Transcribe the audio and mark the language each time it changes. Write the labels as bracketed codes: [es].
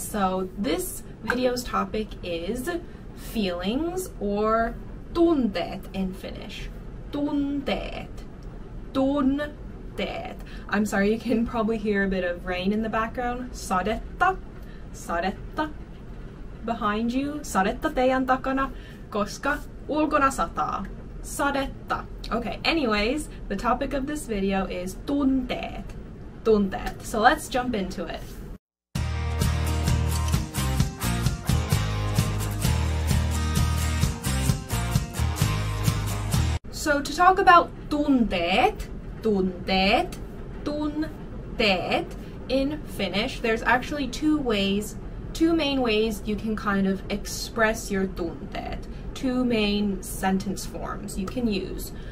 [en] So this video's topic is feelings, or Tunteet in Finnish. Tunteet. Tunteet. I'm sorry, you can probably hear a bit of rain in the background. Sadetta. Sadetta. Behind you. [fi] Sadetta teidän takana, koska ulkona sataa. Sadetta. [en] Okay, anyways, the topic of this video is Tunteet. Tunteet. So let's jump into it. So to talk about tunteet, tunteet, tunteet in Finnish, there's actually two main ways you can kind of express your tunteet, two main sentence forms you can use.